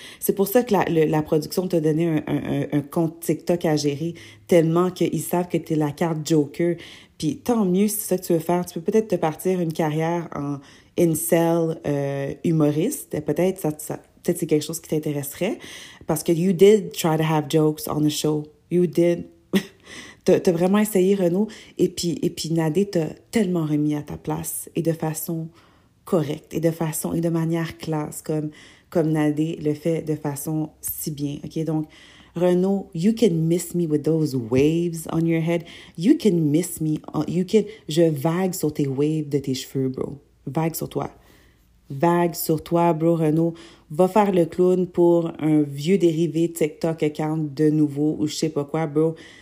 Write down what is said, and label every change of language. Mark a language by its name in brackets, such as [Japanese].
[French] C'est pour ça que la production t'a donné un compte TikTok à gérer, tellement qu'ils savent que tu es la carte Joker. Puis tant mieux si c'est ça que tu veux faire. Tu peux peut-être te partir une carrière en incel humoriste. Peut-être peut-être c'est quelque chose qui t'intéresserait. Parce que [English] you did try to have jokes on the show. You did. [French] T'as vraiment essayé, Renaud, et puis Nadé t'a tellement remis à ta place, et de façon correcte, et de manière classe, comme Nadé le fait de façon si bien. OK? Donc, [English] Renaud, you can miss me with those waves on your head. You can miss me. [French] Je vague sur tes waves de tes cheveux, bro. Vague sur toi. Vague sur toi, bro, Renaud. Va faire le clown pour un vieux dérivé TikTok account de nouveau, ou je sais pas quoi, bro.